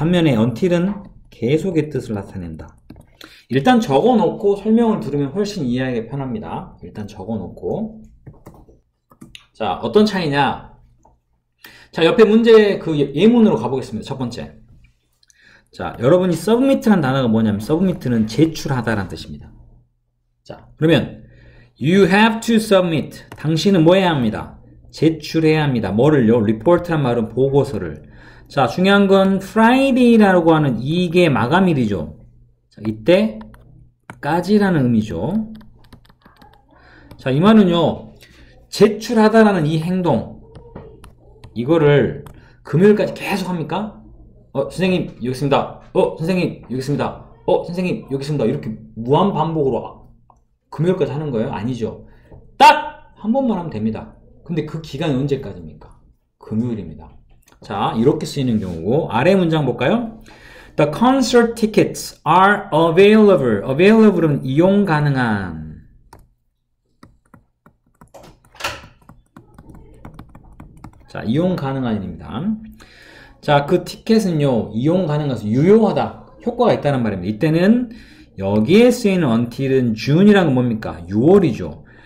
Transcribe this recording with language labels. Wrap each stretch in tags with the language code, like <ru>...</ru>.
<ko>반면에 until은 계속의 뜻을 나타낸다. 일단 적어놓고 설명을 들으면 훨씬 이해하기 편합니다. 일단 적어놓고. 자, 어떤 차이냐? 자, 옆에 문제 그 예문으로 가보겠습니다. 첫 번째. 자, 여러분이 submit란 단어가 뭐냐면, submit는 제출하다라는 뜻입니다. 자, 그러면,</ko> <en>you have to submit.</en> <ko>당신은 뭐 해야 합니다? 제출해야 합니다. 뭐를요? report란 말은 보고서를. 자, 중요한 건 Friday라고 하는 이게 마감일이죠. 자, 이때, 까지라는 의미죠. 자, 이 말은요, 제출하다라는 이 행동, 이거를 금요일까지 계속 합니까? 선생님, 여기 있습니다. 선생님, 여기 있습니다. 선생님, 여기 있습니다. 이렇게 무한반복으로 금요일까지 하는 거예요? 아니죠. 딱! 한 번만 하면 됩니다. 근데 그 기간이 언제까지입니까? 금요일입니다. 자, 이렇게 쓰이는 경우고, 아래 문장 볼까요?</ko> <en>The concert tickets are available.</en> <ko>Available은 이용 가능한. 자, 이용 가능한입니다. 자, 그 티켓은요, 이용 가능해서 유효하다. 효과가 있다는 말입니다. 이때는 여기에 쓰이는 until은 June이란 건 뭡니까? 6월이죠.</ko>